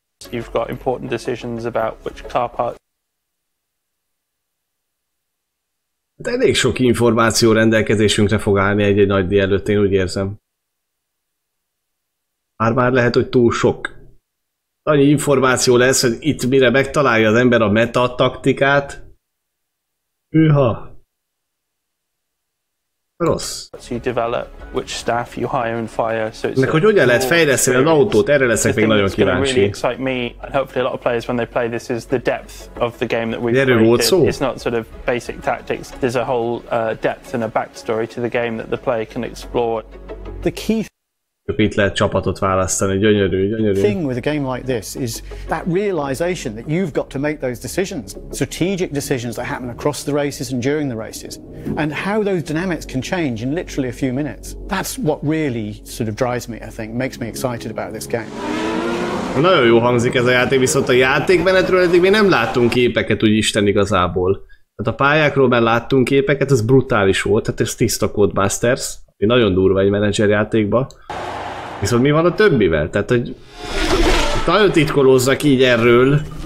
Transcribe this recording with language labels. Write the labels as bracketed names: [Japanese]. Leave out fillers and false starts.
[English] You've got important decisions about which car part. [Hungarian] De elég sok információ rendelkezésünkre fog állni egy nagy díj előtt, én úgy érzem. Már lehet, hogy túl sok. Annyi információ lesz, hogy itt mire megtalálja az ember a meta taktikát. Hűha. Rossz. [English] You develop which staff you hire and fire, so it's [Hungarian] hogy hogyan lehet fejleszteni az autót, erre leszek még nagyon kíváncsi. [English] Really excite me, and hopefully a lot of players when they play this is the depth of the game that we've created. It's not sort of basic tactics. There's a whole depth and a backstory to the game that the player can explore. The key. [Hungarian] Itt lehet csapatot választani, gyönyörű, gyönyörű. [English] Thing with a game like this is that realization that you've got to make those decisions, strategic decisions that happen across the races and during the races. And how those dynamics can change in literally a few minutes. That's what really sort of drives me, I think, makes me excited about this game. [Hungarian] Nagyon jó hangzik ez a játék, viszont a játékmenetről eddig mi nem láttunk képeket, úgy Isten igazából. Hát a pályákról már láttunk képeket, ez brutális volt, hát ez tiszta Codemasters, ami nagyon durva egy menedzser játékba. Viszont mi van a többivel? Tehát, hogy nagyon titkolóznak így erről.